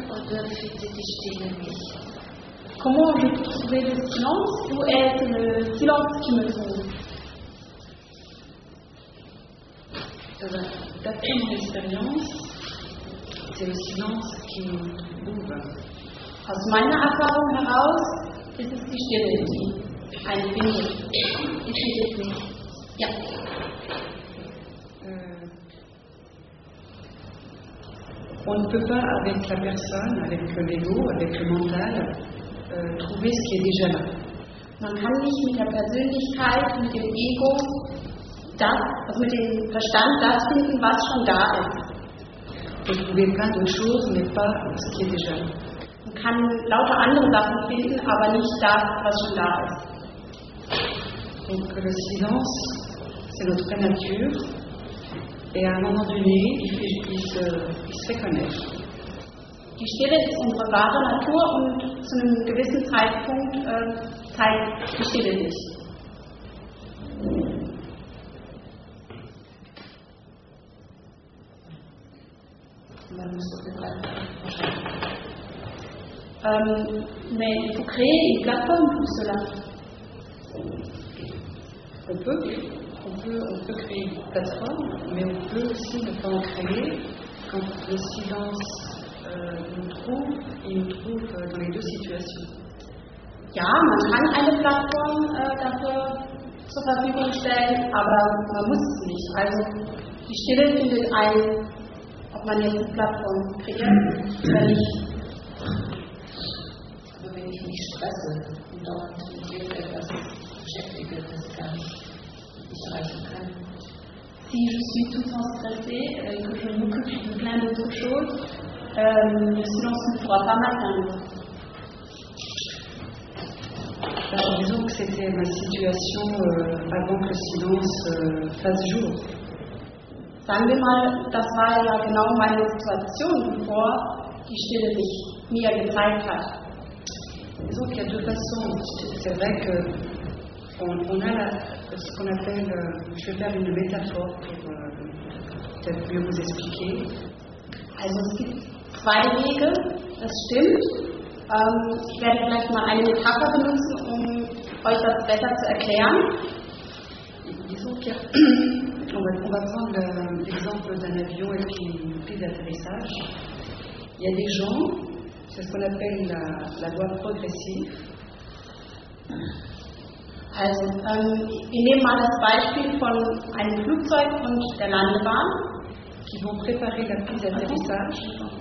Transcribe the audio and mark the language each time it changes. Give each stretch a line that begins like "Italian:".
French: Comment vous trouvez le silence ou est-ce le silence qui me trouve? D'après mon expérience, c'est le silence qui me trouve.
German: Aus meiner Erfahrung heraus, ist es die Stille, die ein wenig entschiedet mich. Ja.
French: On ne peut pas avec la personne, avec l'ego, avec le mental, trouver ce qui est déjà là.
German: Man kann nicht mit der Persönlichkeit, mit dem Ego, das, mit dem Verstand das finden, was schon da ist.
French: On peut trouver plein de choses, mais pas ce qui est déjà là.
German: Man kann lauter andere Sachen finden, aber nicht das, was schon da ist.
French: Donc le silence, c'est notre vraie nature. Et à un moment donné, il se fait connaître.
German: Die Stille ist unsere wahre Natur und zu einem gewissen Zeitpunkt zeigt die Stille sich.
French: Mais il faut créer une plateforme pour cela. On peut créer une plateforme, mais on peut aussi ne pas en créer quand le silence nous trouve dans les deux situations.
German: Ja, man kann eine Plattform dafür zur Verfügung stellen, aber man muss es nicht. Also die Stille findet ein, ob man jetzt eine Plattform kreiert oder nicht. Aber wenn ich mich stresse und dort irgendetwas beschäftige, das gar nicht erreichen kann.
French: Si je suis tout le temps stressée et que je m'occupe de plein d'autres choses, le silence ne pourra pas m'atteindre. Alors, disons que c'était ma situation avant que le silence fasse jour.
German: Sagen wir mal, das war ja genau meine Situation, bevor die Stille sich mir gezeigt hat.
French: Disons qu'il y a deux façons. C'est vrai que on a la, ce qu'on appelle, je vais faire une métaphore pour peut-être mieux vous expliquer.
German: Also, es gibt zwei Wege, das stimmt. Ich werde vielleicht mal eine Metapher benutzen, um euch das besser zu erklären.
French: On va prendre l'exemple d'un avion et puis une piste d'atterrissage. Il y a des gens, c'est ce qu'on appelle la loi progressive.
German: Also, wir nehmen mal das Beispiel von einem Flugzeug und der Landebahn.
French: Qui vont préparer la piste d'atterrissage.